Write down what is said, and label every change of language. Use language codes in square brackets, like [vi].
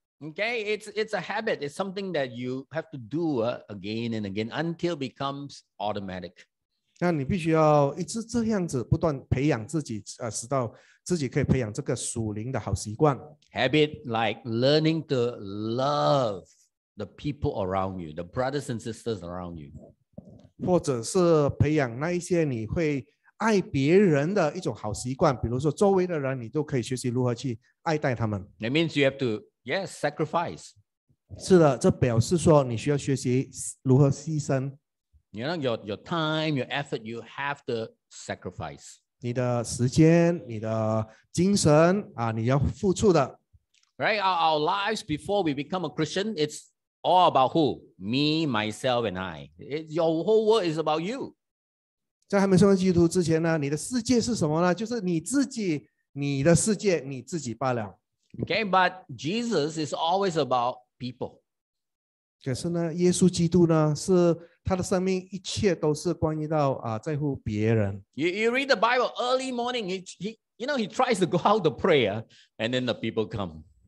[en] Okay, it's a habit. It's something that you have to do again and again until it becomes automatic. [zh] 那你必须要一直这样子不断培养自己，直到自己可以培养这个属灵的好习惯。 [en] Habit like learning to love the people around you, the brothers and sisters around you. [zh] 或者是培养那一些你会爱别人的一种好习惯，比如说周围的人，你都可以学习如何去爱戴他们。 [en] That means you have to. Yes, sacrifice. [zh] 是的，这表示说你需要学习如何牺牲。 [en] You know, your time, your effort, you have to sacrifice. [zh] 你的时间，你的精神你要付出的。 [en] Right, our lives before we become a Christian, it's all about who? Me, myself, and I. Your whole world is about you. [zh] 在还没成为基督徒之前呢，你的世界是什么呢？就是你自己，你的世界，你自己罢了。 [en] Okay, but Jesus is always about people. [zh] 可是呢，耶稣基督呢，是他的生命一切都是关于到在乎别人。 [en] You read the Bible early morning. He tries to go out to pray, and then the people come.